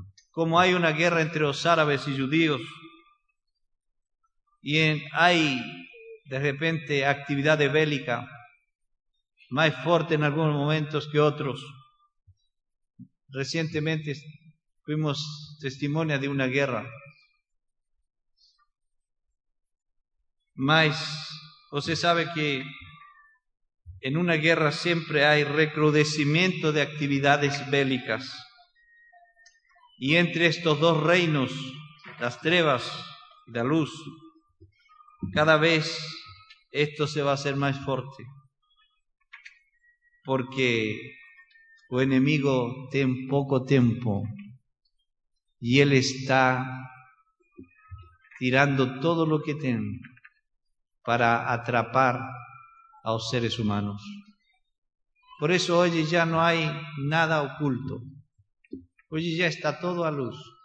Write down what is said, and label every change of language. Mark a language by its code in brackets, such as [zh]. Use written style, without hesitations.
[es] Como hay una guerra entre os árabes y judíos, y hay de repente actividad bélica más fuerte en algunos momentos que otros. Recientemente fuimos [pt] testemunha de uma guerra. Mas você sabe que em uma guerra sempre há recrudescimento de atividades bélicas. E entre estes dois reinos, das trevas e da luz, cada vez isto se vai ser mais forte. Porque o inimigo tem pouco tempo. [es] Y él está tirando todo lo que tiene para atrapar a los seres humanos. Por eso hoy ya no hay nada oculto. Hoy ya está todo a luz.